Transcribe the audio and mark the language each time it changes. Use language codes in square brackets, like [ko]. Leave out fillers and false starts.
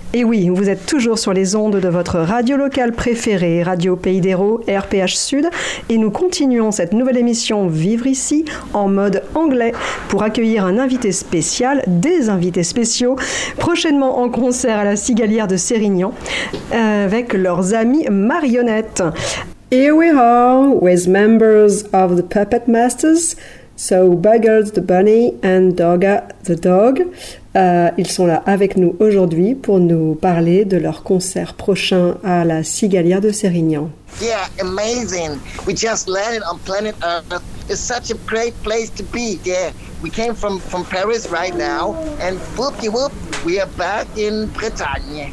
[fr] Et oui, vous êtes toujours sur les ondes de votre radio locale préférée, Radio Pays d'Hérault, RPH Sud, et nous continuons cette nouvelle émission Vivre ici en mode anglais pour accueillir un invité spécial, des invités spéciaux, prochainement en concert à la Cigalière de Sérignan, avec leurs amis marionnettes. [en] Here we are with members of the Puppet Masters, so Buggers the Bunny and Dogga the Dog. [fr] Ils sont là avec nous aujourd'hui pour nous parler de leur concert prochain à la Cigalière de Sérignan. [en] Yeah, amazing. We just landed on planet Earth. It's such a great place to be. Yeah, we came from Paris right now, and whoopie whoop, we are back in Bretagne.